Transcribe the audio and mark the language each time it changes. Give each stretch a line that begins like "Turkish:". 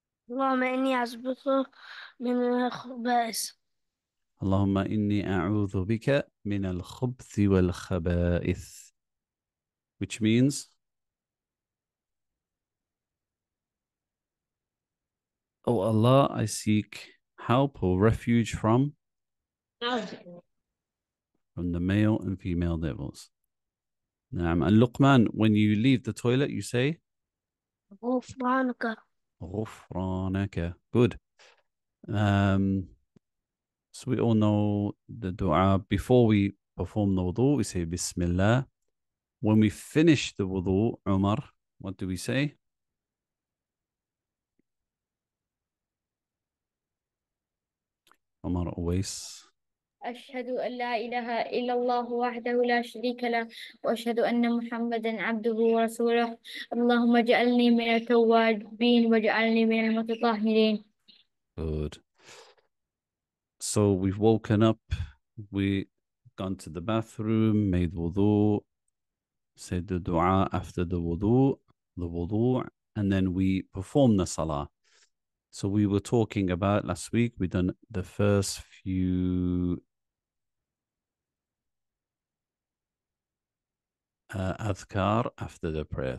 Arabic: اللهم إني أعوذ من الخبائث. اللهم إني أعوذ بك من الخبث والخبائث.
English: Which means, O Allah, I seek help or refuge from the male and female devils.
Arabic: نعم.
English: And Luqman, when you leave the toilet, you say,
Arabic: غفرانك. غفرانك.
English: Good. So we all know the dua. Before we perform the wudu, we say Bismillah. When we finish the wudu, Umar, what do we say? Umar always.
Arabic: أشهد أن لا إله إلا الله وحده لا شريك له وأشهد أن محمدا عبده ورسوله اللهم اجعلني من التوابين واجعلني من المتطهرين.
English: Good. So we've woken up, we've gone to the bathroom, made wudu, said the dua after the wudu, and then we perform the salah. So we were talking about last week, we've done the first few adhkar after the prayer.